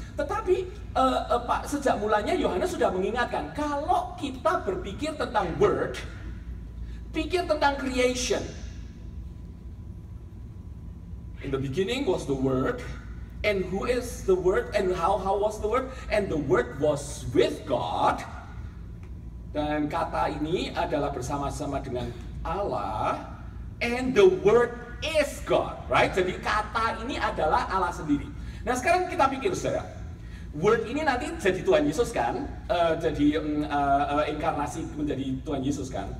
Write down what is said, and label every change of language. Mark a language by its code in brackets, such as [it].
[id] Tetapi Pak, sejak mulanya Yohanes sudah mengingatkan kalau kita berpikir tentang word, pikir tentang creation. [en] In the beginning was the word, and who is the word, and how was the word, and the word was with God. [id] Dan kata ini adalah bersama-sama dengan Allah, [en] and the word is God, right? [id] Jadi kata ini adalah Allah sendiri. Nah sekarang kita pikir saudara, word ini nanti jadi Tuhan Yesus kan? Inkarnasi menjadi Tuhan Yesus kan?